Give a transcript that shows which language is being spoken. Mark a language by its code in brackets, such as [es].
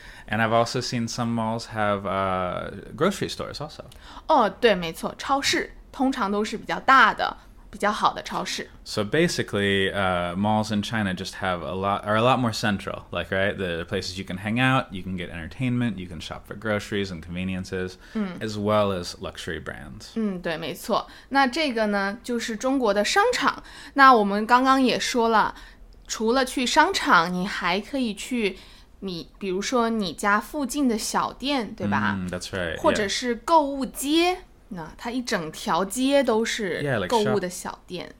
[en] And I've also seen some malls have grocery stores also. [zh] 哦,对,没错,超市,通常都是比较大的。 [en] So basically, malls in China just have a lot more central. Like, right, the places you can hang out, you can get entertainment, you can shop for groceries and conveniences, as well as luxury brands. [zh] 对，没错。那这个呢，就是中国的商场。那我们刚刚也说了，除了去商场，你还可以去你，比如说你家附近的小店，对吧？ [en] That's right. [zh] 或者是购物街。那它一整条街都是购物的小店